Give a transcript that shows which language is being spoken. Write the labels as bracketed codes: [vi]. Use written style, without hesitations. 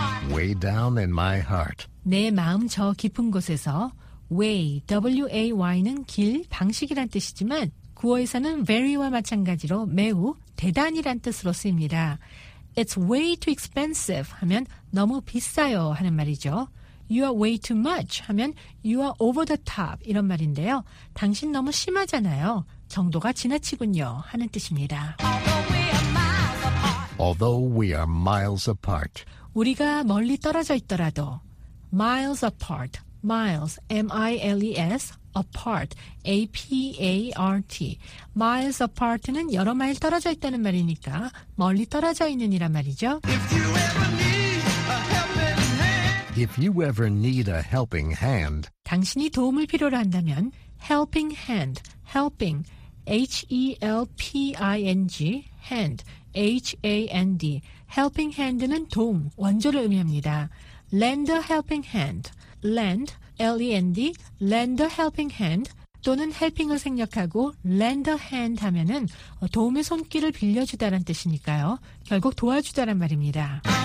[en] Way down in my heart. [ko] 내 마음 저 깊은 곳에서 way, W-A-Y는 길, 방식이란 뜻이지만 구어에서는 very와 마찬가지로 매우, 대단이란 뜻으로 쓰입니다. [en] It's way too expensive [ko] 하면 너무 비싸요 하는 말이죠. [en] You are way too much 하면 you are over the top [ko] 이런 말인데요. 당신 너무 심하잖아요. 정도가 지나치군요 하는 뜻입니다. [en] Although we are miles apart. [ko] 우리가 멀리 떨어져 있더라도 [en] miles apart. Miles, M-I-L-E-S, apart, A-P-A-R-T. Miles apart [ko] 는 여러 마일 떨어져 있다는 말이니까 멀리 떨어져 있는이란 말이죠. [en] If you ever need a helping hand. If you ever need a helping hand. [ko] 당신이 도움을 필요로 한다면 [en] helping hand, helping, H-E-L-P-I-N-G, hand, H-A-N-D. Helping hand [ko] 는 도움, 원조를 의미합니다. [en] Lend a helping hand, lend, L-E-N-D, lend a helping hand 또는 helping을 [ko] 생략하고 [en] lend a hand [ko] 하면은 도움의 손길을 빌려주다란 뜻이니까요. 결국 도와주다란 말입니다.